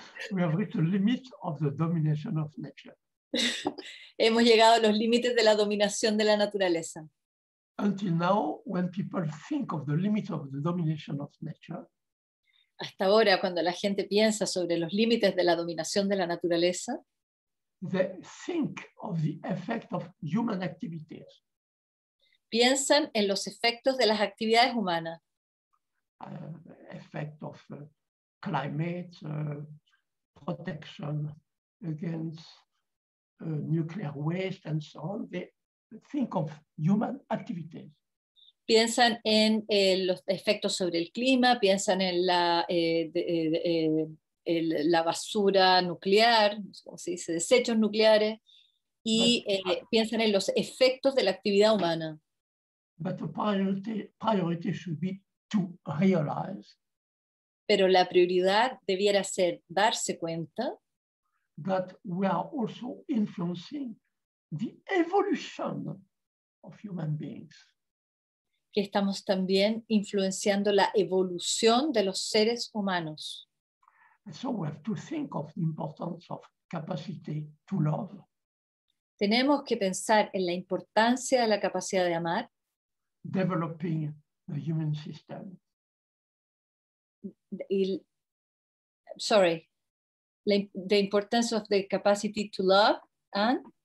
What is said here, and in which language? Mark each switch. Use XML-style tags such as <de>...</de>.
<en>We have reached the limit of the domination of nature.</en> <es>Hemos llegado a los límites de la dominación de la naturaleza.</es> <en>Until now, when people think of the limit of the domination of nature,</en> <es>hasta ahora, cuando la gente piensa sobre los límites de la dominación de la naturaleza,</es> <en>they think of the effect of human activities.</en> <es>Piensan en los efectos de las actividades humanas.</es> <en>Effect of climate protection against nuclear waste and so on. They think of human activities.</en> <es>Piensan en los efectos sobre el clima, piensan en la basura nuclear, como se dice, desechos nucleares, y piensan en los efectos de la actividad humana.</es> <en>But the priority should be to realize.</en> <es>Pero la prioridad debiera ser darse cuenta</es> <en>that we are also influencing the evolution of human beings.</en> <es>que estamos también influenciando la evolución de los seres humanos.</es> <en>So we have to think of the importance of capacity to love.</en> <es>Tenemos que pensar en la importancia de la capacidad de amar.</es> <en>Developing the human system. The importance of the capacity to love and</en>